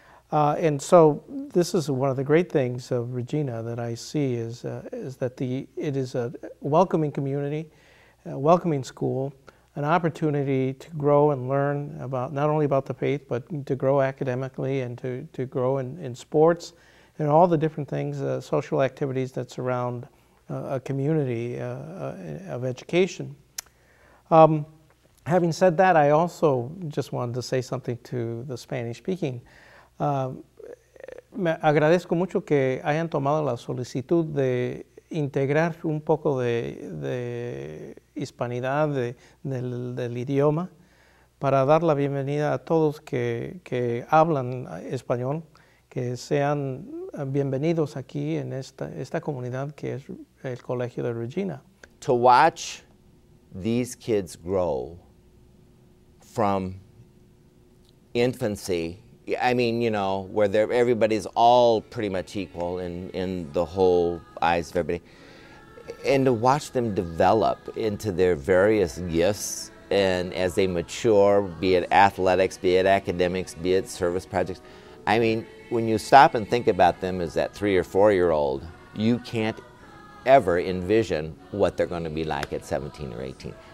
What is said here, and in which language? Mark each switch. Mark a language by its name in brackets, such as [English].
[English] And so this is one of the great things of Regina that I see is that it is a welcoming community, a welcoming school, an opportunity to grow and learn about not only about the faith, but to grow academically and to grow in sports and all the different things, social activities that surround a community of education. Having said that, I also just wanted to say something to the Spanish-speaking. [Spanish] Me agradezco mucho que hayan tomado la solicitud de integrar un poco de hispanidad del idioma para dar la bienvenida a todos que hablan español, que sean bienvenidos aquí en esta comunidad que es el Colegio de Regina. [English] To watch these kids grow from infancy, I mean, you know, where everybody's all pretty much equal in the whole eyes of everybody, and to watch them develop into their various gifts, and as they mature, be it athletics, be it academics, be it service projects, I mean, when you stop and think about them as that 3 or 4 year old, you can't ever envision what they're going to be like at 17 or 18.